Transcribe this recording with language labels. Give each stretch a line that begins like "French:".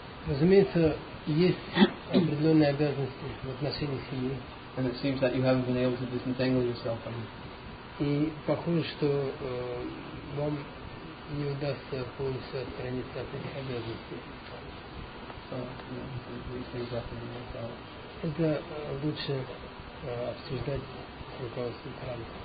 Russian: Разумеется, есть определенные обязанности в отношении семьи.
English: And it seems that you haven't been able to disentangle yourself from it.
Russian: И похоже, что вам не удастся полностью отстраниться от этих обязанностей. Это лучше обсуждать с руководством храма.